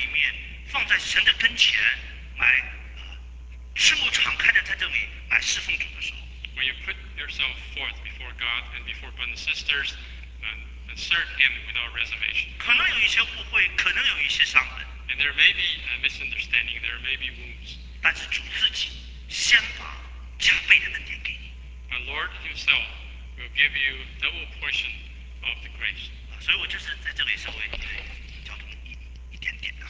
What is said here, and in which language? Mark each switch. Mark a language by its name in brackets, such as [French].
[Chinese] 当你全心把自己放在聚会的里面，放在神的跟前来。 [English] When you put yourself forth before God and before brothers and sisters and serve Him without reservation. [Chinese] 可能有一些误会，可能有一些伤痕。 [English] And there may be a misunderstanding, there may be wounds. [Chinese] 但是主自己先把加倍的恩典给你。 [English] And Lord Himself will give you double portion of the grace. [Chinese] 所以我就是在这里稍微交通一点点的。